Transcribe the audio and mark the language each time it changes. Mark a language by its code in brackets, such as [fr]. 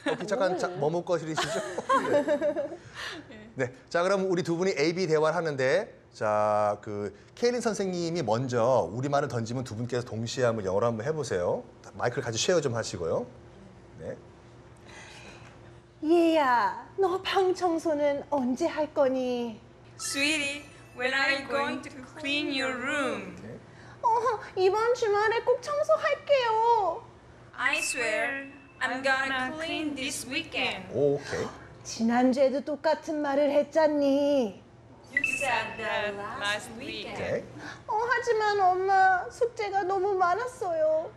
[ko] 잠깐 머뭇거리시죠? 네. 네. 자, 그럼 우리 두 분이 AB 대화를 하는데 자, 그 케일린 선생님이 먼저 우리말을 던지면 두 분께서 동시에 한번 영어로 한번 해보세요. 마이크를 같이 쉐어 좀 하시고요. 네. 예야, 너 방 청소는 언제 할 거니? [en] Sweetie, when are you going to clean your room? [ko] 이번 주말에 꼭 청소할게요. [en] I swear, I'm gonna clean this weekend. [ko] 오, 오케이. 지난주에도 똑같은 말을 했잖니. [en] You said that last weekend. [ko] 오케이. 하지만 엄마, 숙제가 너무 많았어요.